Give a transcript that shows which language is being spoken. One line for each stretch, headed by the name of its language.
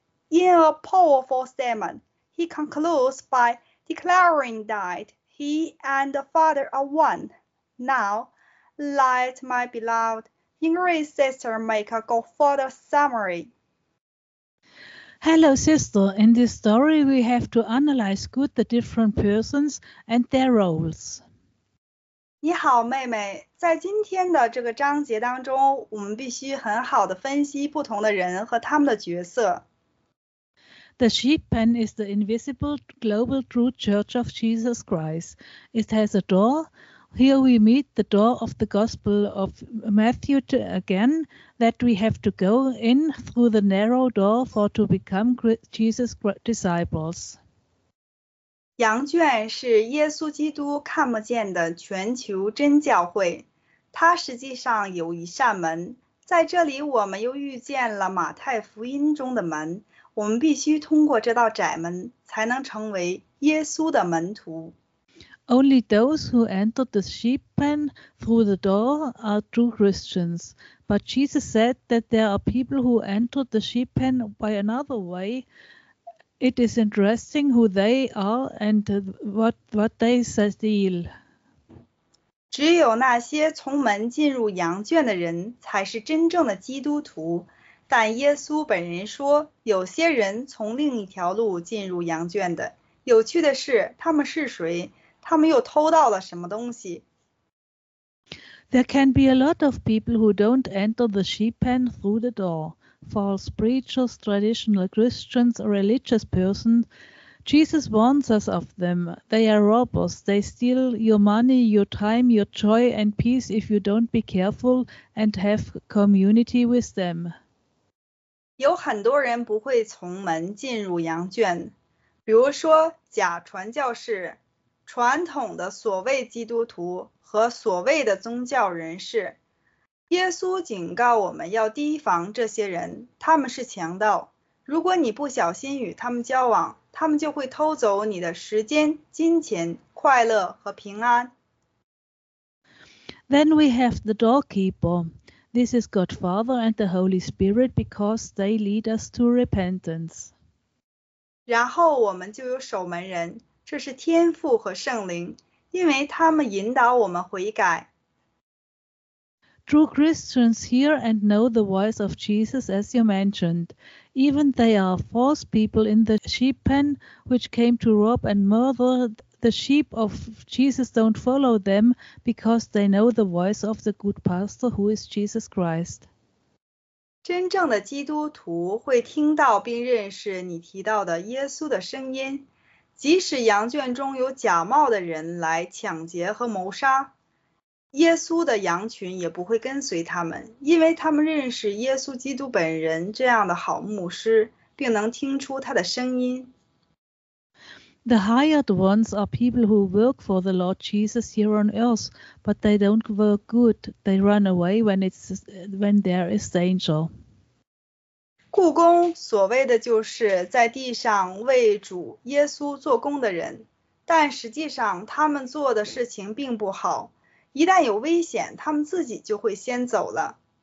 English: In a powerful statement, he concludes by declaring that he and the Father are one. Now, let my beloved English sister make a go for the summary. Hello, sister. In this story, we have to analyze good the different persons and their roles.
Chinese: 你好，妹妹。在今天的这个章节当中，我们必须很好地分析不同的人和他们的角色。
English: The sheep pen is the invisible global true church of Jesus Christ. It has a door. Here we meet the door of the Gospel of Matthew again, that we have to go in through the narrow door for to become Jesus' disciples.
Chinese: 羊圈是耶稣基督看不见的全球真教会，它实际上有一扇门。在这里，我们又遇见了马太福音中的门。我们必须通过这道窄门，才能成为耶稣的门徒。
English: Only those who enter the sheep pen through the door are true Christians. But Jesus said that there are people who enter the sheep pen by another way. It is interesting who they are and what they steal.
Chinese: 只有那些从门进入羊圈的人才是真正的基督徒。但耶稣本人说，有些人从另一条路进入羊圈的。有趣的是，他们是谁？他们又偷到了什么东西？
English: There can be a lot of people who don't enter the sheep pen through the door. False preachers, traditional Christians, religious persons. Jesus warns us of them. They are robbers. They steal your money, your time, your joy and peace if you don't be careful and have community with them.
Chinese: 有很多人不会从门进入羊圈，比如说假传教士、传统的所谓基督徒和所谓的宗教人士。耶稣警告我们要提防这些人，他们是强盗。如果你不小心与他们交往，他们就会偷走你的时间、金钱、快乐和平安。
English: Then we have the doorkeeper. This is God Father and the Holy Spirit because they lead us to repentance.
Chinese: 然后我们就有守门人。这是天父和圣灵，因为他们引导我们悔改。
English: True Christians hear and know the voice of Jesus, as you mentioned. Even they are false people in the sheep pen, which came to rob and murder. The sheep of Jesus don't follow them because they know the voice of the good pastor, who is Jesus Christ.
Chinese: 真正的基督徒会听到并认识你提到的耶稣的声音。即使羊圈中有假冒的人来抢劫和谋杀，耶稣的羊群也不会跟随他们，因为他们认识耶稣基督本人这样的好牧师，并能听出他的声音。
English: The hired ones are people who work for the Lord Jesus here on earth, but they don't work good. They run away when there is danger.
Chinese: 雇工所谓的就是在地上为主耶稣做工的人，但实际上他们做的事情并不好。一旦有危险，他们自己就会先走了。